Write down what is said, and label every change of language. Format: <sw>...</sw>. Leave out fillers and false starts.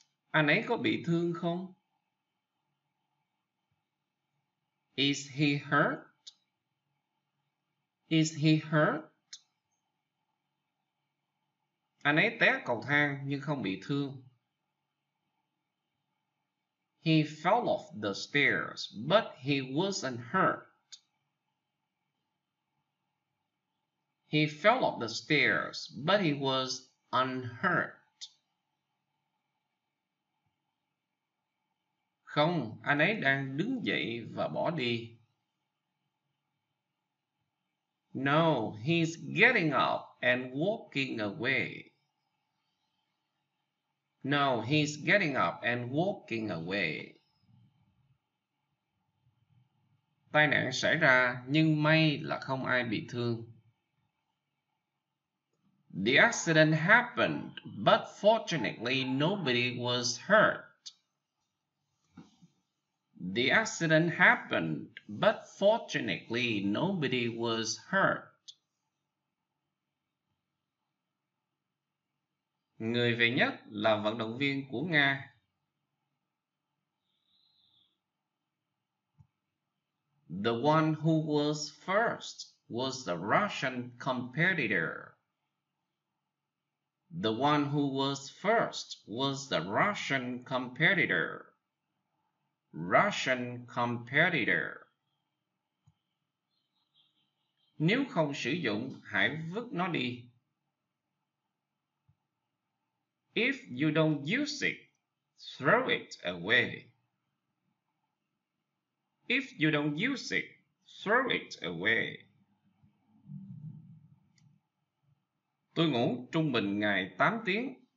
<vi>Anh ấy có bị thương không?</vi> <en>Is he hurt? Is he hurt?</en> <vi>Anh ấy té cầu thang nhưng không bị thương.</vi> <en>He fell off the stairs, but he wasn't hurt. He fell off the stairs, but he was unhurt.</en> <vi>Không, anh ấy đang đứng dậy và bỏ đi.</vi> <en>No, he's getting up and walking away. No, he's getting up and walking away.</en> <vi>Tai nạn xảy ra, nhưng may là không ai bị thương.</vi> <en>The accident happened, but fortunately nobody was hurt. The accident happened, but fortunately nobody was hurt.</en> <vi>Người về nhất là vận động viên của Nga.</vi> <en>The one who was first was the Russian competitor. The one who was first was the Russian competitor. Russian competitor.</en> <vi>Nếu không sử dụng, hãy vứt nó đi.</vi> <en>If you don't use it, throw it away. If you don't use it, throw it away.</en> <vi>Tôi ngủ trung bình ngày 8 tiếng.</vi>